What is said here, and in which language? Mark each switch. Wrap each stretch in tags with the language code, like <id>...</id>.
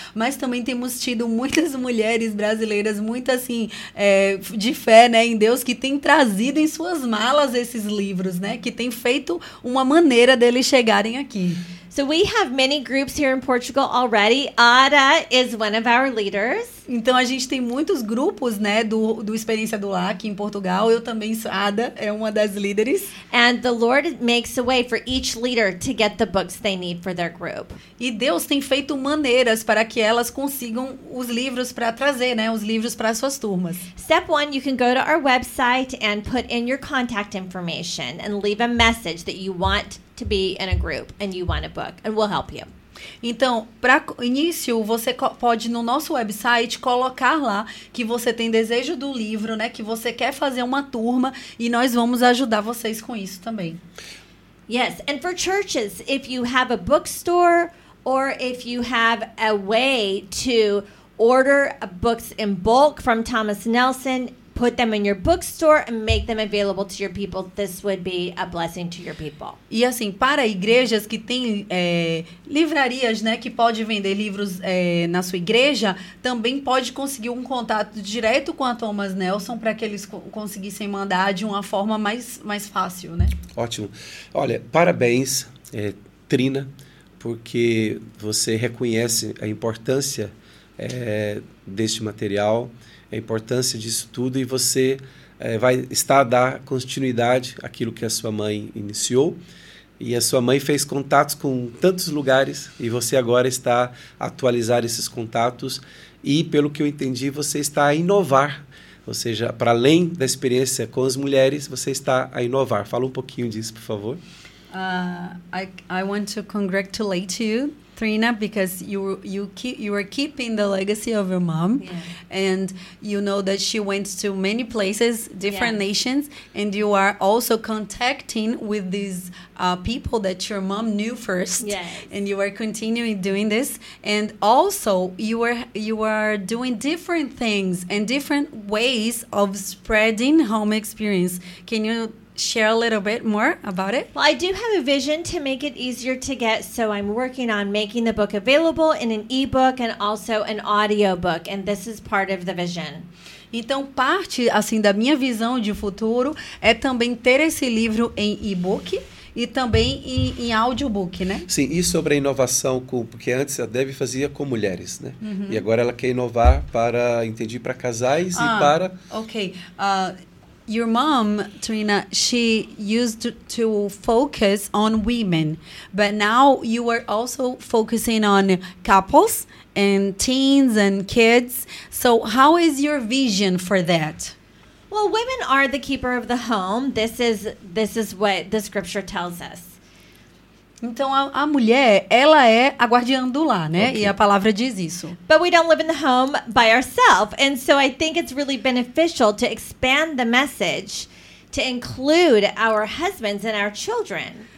<pt>Mas também temos tido muitas mulheres brasileiras, muito assim, de fé, né, em Deus, que têm trazido em suas malas esses livros, né? Que têm feito uma maneira deles chegarem aqui.</pt> <en>So we have many groups here in Portugal already. Ada is one of our leaders.</en> <pt>Então a gente tem muitos grupos, né, do Experiência do Lar aqui em Portugal. Eu também sou, Ada é uma das líderes.</pt> <en>And the Lord makes a way for each leader to get the books they need for their group.</en> <pt>E Deus tem feito maneiras para que elas consigam os livros para trazer, né, os livros para suas turmas.</pt> <en>Step one, you can go to our website and put in your contact information and leave a message that you want to be in a group and you want a book, and we'll help you.</en> <pt>Então, para início, você pode no nosso website colocar lá que você tem desejo do livro, né, que você quer fazer uma turma, e nós vamos ajudar vocês com isso também.</pt> <en>Yes, and for churches, if you have a bookstore or if you have a way to order books in bulk from Thomas Nelson, put them in your bookstore and make them available to your people. This would be a blessing to your people.</en> <pt>E assim, para igrejas que têm livrarias, né, que pode vender livros na sua igreja, também pode conseguir um contato direto com a Thomas Nelson para que eles conseguissem mandar de uma forma mais fácil, né? Ótimo. Olha, parabéns, Trina, porque você reconhece a importância deste material, a importância disso tudo, e você vai estar a dar continuidade àquilo que a sua mãe iniciou. E a sua mãe fez contatos com tantos lugares, e você agora está a atualizar esses contatos. E, pelo que eu entendi, você está a inovar. Ou seja, para além da experiência com as mulheres, você está a inovar. Fala um pouquinho disso, por favor.</pt> <en>I want to congratulate you, Trina, because you are keeping the legacy of your mom, yeah. And you know that she went to many places, different, yeah, nations, and you are also contacting with these people that your mom knew first, yes, and you are continuing doing this, and also you are doing different things and different ways of spreading home experience. Can you share a little bit more about it? Well, I do have a vision to make it easier to get, so I'm working on making the book available in an e-book and also an audiobook, and this is part of the vision.</en> <pt>Então, parte, assim, da minha visão de futuro é também ter esse livro em e-book e também em audiobook, né? Sim, e sobre a inovação, porque antes a Debbie fazia com mulheres, né? Uhum. E agora ela quer inovar para, entendi, para casais e para...</pt> <en>Ok, your mom, Trina, she used to focus on women, but now you are also focusing on couples and teens and kids. So how is your vision for that? Well, women are the keeper of the home. This is what the scripture tells us.</en> <pt>Então, a mulher, ela é a guardiã do lar, né? Okay. E a palavra diz isso.</pt> <en>But we don't live in the home by ourselves. And so I think it's really beneficial to expand the message to include our husbands and our children.</en>